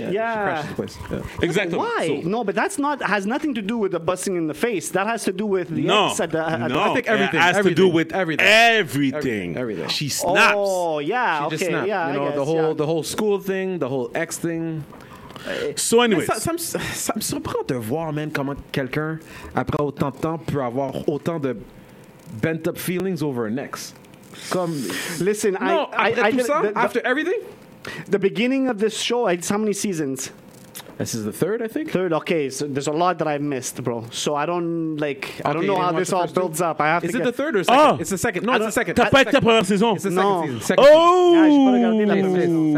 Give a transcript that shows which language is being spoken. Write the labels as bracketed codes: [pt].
[en] crashes the place. Yeah. Exactly. Why? So. No, but that's not has nothing to do with the busting in the face. That has to do with the ex at the... the, I think everything. It has everything. To do with everything. Everything. She snaps. Oh, yeah. She just snapped. Yeah, you know, the whole school thing, the whole ex thing. So anyways, [fr] ça me surprend de voir même comment quelqu'un après autant de temps peut avoir autant de [en] bent up feelings over an ex. [fr] Comme, [en] listen, no, after everything, the beginning of this show, it's how many seasons? This is the third, I think. Third, okay. So there's a lot that I've missed, bro. So I don't like. Okay, I don't know how this all builds up. I have is to. Is it the third or second? Oh. It's the second. No, it's the second. [fr] T'as pas été la première saison. [en] It's the second season. Oh.